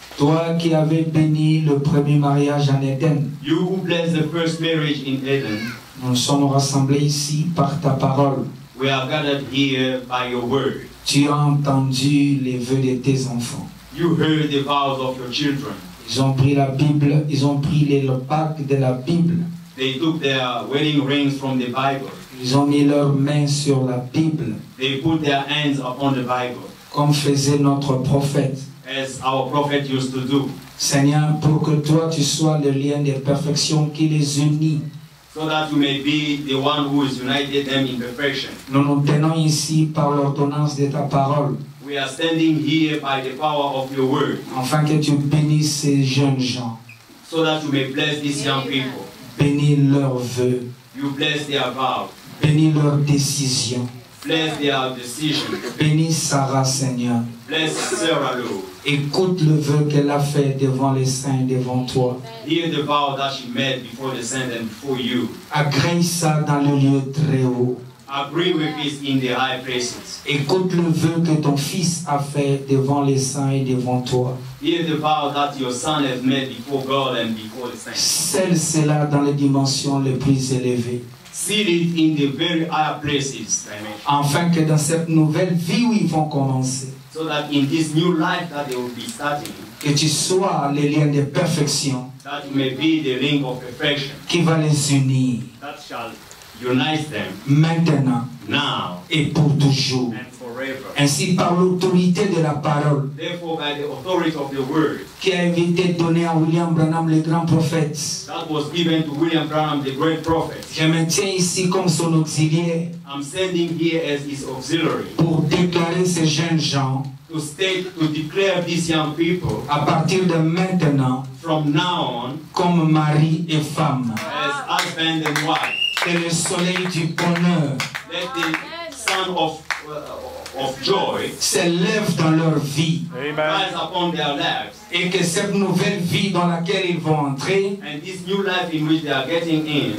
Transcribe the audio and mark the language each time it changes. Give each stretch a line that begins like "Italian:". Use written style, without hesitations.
French: Toi qui avais béni le premier mariage en Éden.
English: You who blessed the first marriage in Eden.
French: Nous sommes rassemblés ici par ta parole.
English: We are gathered here by your word.
French: Tu as entendu les vœux de tes enfants.
English: You heard the vows of your children.
French: Ils ont pris la Bible, ils ont pris les bagues de la Bible.
English: They took their wedding rings from the Bible.
French: Ils ont mis leurs mains sur la Bible.
English: They put their hands upon the Bible.
French: Comme faisait notre prophète.
English: As our prophet used to do.
French: Seigneur, pour que toi tu sois le lien de perfection qui les unit.
English: So that you may be the one who has united them in perfection.
French: Nous nous tenons ici par l'ordonnance de ta parole.
English: We are standing here by the power of your word.
French: Afin que tu bénisses ces jeunes gens.
English: So that you may bless these young people.
French: Bénis leurs vœux.
English: You bless their vows.
French: Bénis leurs décisions.
English: Bless their decision.
French: Bénis Sarah, Seigneur.
English: Bless Sarah, Lord.
French: Écoute le vœu qu'elle a fait devant les saints, devant toi.
English: Hear the vow that she made before the saints and before you.
French: Agrée ça dans le lieu très haut.
English: Agree with it in the high places.
French: Écoute le vœu que ton fils a fait devant les saints et devant toi.
English: Hear the vow that your son has made before God and before the saints.
French: Scelle cela dans les dimensions les plus élevées.
English: Seal it in the very high places.
French: Afin que dans cette nouvelle vie où ils vont commencer.
English: So that in this new life that they will be starting,
French: que tu sois le lien de perfection,
English: that may be the ring of perfection,
French: qui va les unir,
English: that shall unite them,
French: maintenant,
English: now,
French: et pour toujours,
English: and forever.
French: Ainsi par l'autorité de la parole,
English: therefore by the authority of the word,
French: qui a été donné à William Branham le grand prophète,
English: that was given to William Branham the great prophet.
French: Je me tiens ici comme son auxiliaire.
English: I'm standing here as his auxiliary.
French: Pour déclarer ces jeunes gens.
English: To state, to declare these young people.
French: À partir de maintenant.
English: From now on.
French: Comme mari et femme.
English: As husband and wife.
French: Que le soleil du bonheur.
English: Let the sun of joy.
French: S'élève dans leur vie.
English: Amen. Rise upon their lives.
French: Et que cette nouvelle vie dans laquelle ils vont entrer.
English: And this new life in which they are getting in.